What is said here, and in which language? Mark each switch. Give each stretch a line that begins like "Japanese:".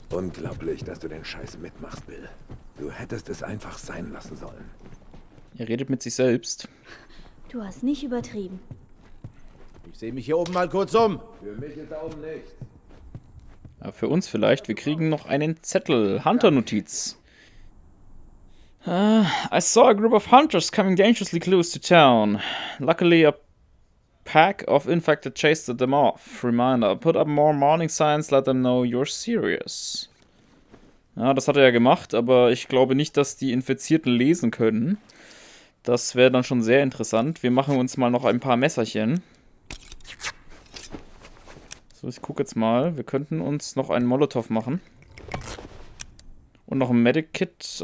German: Unglaublich, dass du den Scheiß mitmachst, Bill. Du hättest es einfach sein lassen sollen. Er redet mit sich selbst. Du hast nicht übertrieben. Ich sehe mich hier oben mal kurz um. Für mich ist da oben nichts. Ja, für uns vielleicht. Wir kriegen noch einen Zettel. Hunter-Notiz.
English: I saw a group of hunters coming dangerously close to town. Luckily a pack of infected chased them off. Reminder, put up more warning signs, let them know you're serious.
German: Ja, das hat er ja gemacht, aber ich glaube nicht, dass die Infizierten lesen können. Das wäre dann schon sehr interessant. Wir machen uns mal noch ein paar Messerchen. So, ich gucke jetzt mal. Wir könnten uns noch einen Molotow machen. Und noch ein Medikit.